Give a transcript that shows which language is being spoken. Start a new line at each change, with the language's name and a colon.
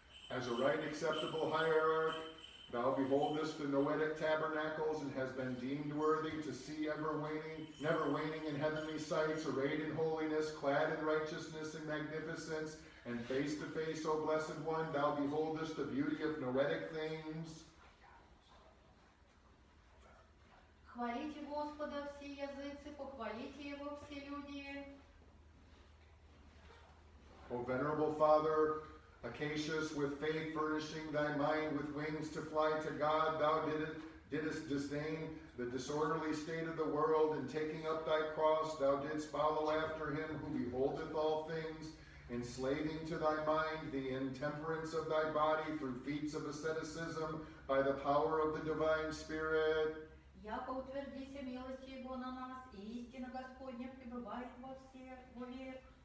English: As a right acceptable hierarch, thou beholdest the noetic tabernacles and has been deemed worthy to see never waning in heavenly sights, arrayed in holiness, clad in righteousness and magnificence, and face to face, O blessed one, thou beholdest the beauty of noetic things.
Church Slavic: Хвалите Господа все языцы, похвалите Его все люди.
English: O venerable Father, Acacius, with faith furnishing thy mind with wings to fly to God, thou didst disdain the disorderly state of the world, and taking up thy cross, thou didst follow after him who beholdeth all things, enslaving to thy mind the intemperance of thy body through feats of asceticism by the power of the divine spirit.
Church Slavic: Яко утвердися милость Его на нас, и истина Господня пребывает во всех, во век.